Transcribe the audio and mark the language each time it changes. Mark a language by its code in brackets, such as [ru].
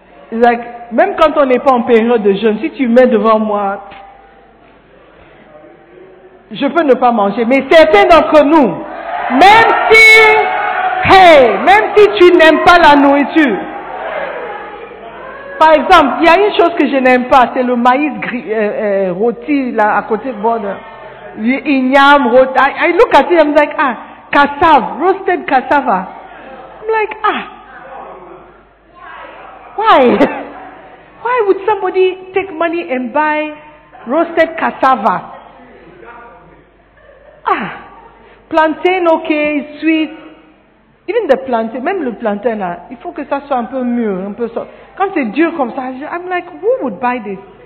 [fr] Like, même quand on n'est pas en période de jeûne, si tu mets devant moi, je peux ne pas manger. Mais certains d'entre nous, même si, hey, même si tu n'aimes pas la nourriture. Par exemple, il y a une chose que je n'aime pas, c'est le maïs gris, rôti là à côté de bord. Ignam, rota. [en] I look at it, I'm like, ah, cassava, roasted cassava. I'm like, ah, why? Why would somebody take money and buy roasted cassava? Ah, plantain, okay, sweet. Even the plantain, [fr] même le plantain, là, il faut que ça soit un peu mûr, un peu soft. Quand c'est dur comme ça, [en] I'm like, who would buy this?